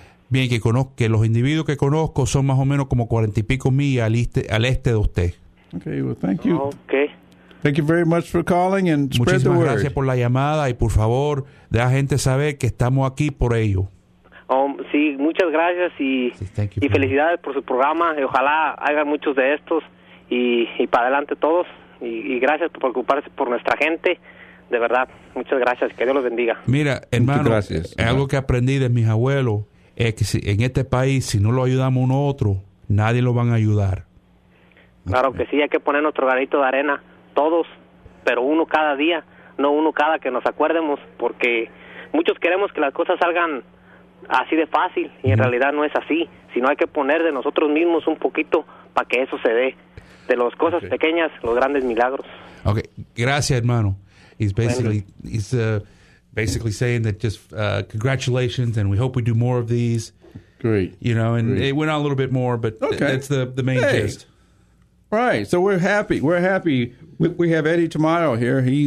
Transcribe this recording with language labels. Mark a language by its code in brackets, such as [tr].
[es] Bien, que conozco, que los individuos que conozco son más o menos como 40 y pico millas al este de usted. [en] Okay, well, thank you. Okay. Thank you very much for calling and spread [es] Muchísimas [en] the word. [es] Gracias por la llamada y por favor, deja gente saber que estamos aquí por ello. Sí, muchas gracias y felicidades por su programa. Y ojalá hagan muchos de estos y para adelante todos. Y gracias por preocuparse por nuestra gente. De verdad, muchas gracias. Que Dios los bendiga. Mira, hermano, algo que aprendí de mis abuelos es que si, en este país, si no lo ayudamos uno a otro, nadie lo van a ayudar. Claro que sí, hay que poner nuestro granito de arena, todos, pero uno cada día, no uno cada que nos acuerdemos, porque muchos queremos que las cosas salgan así de fácil, y en realidad no es así, sino hay que poner de nosotros mismos un poquito para que eso se dé. De las cosas pequeñas, los grandes milagros. Okay, gracias, hermano. [en] He's basically saying that just congratulations, and we hope we do more of these. Great. You know, and it went on a little bit more, but that's the main gist. Right, so we're happy. We have Eddie Tamayo here.